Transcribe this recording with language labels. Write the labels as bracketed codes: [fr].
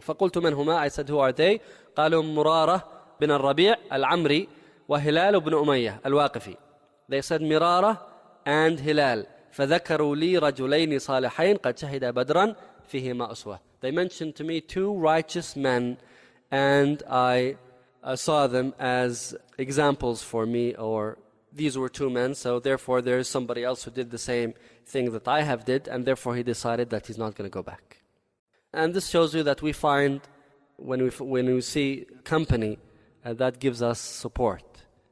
[ar] فقلت من هما. [en] I said, who are they? [ar] قالوا مرارة بن الربيع العمري وهلال بن أمية الواقفي. [en] They said Mirara and Hilal. [ar] فذكروا لي رجلين صالحين قد شهدا بدرا فيهما أسوة. [en] They mentioned to me two righteous men, and I saw them as examples for me, or these were two men, so therefore there is somebody else who did the same thing that I have did, and therefore he decided that he's not going to go back. And this shows you that we find when we see company, that gives us support.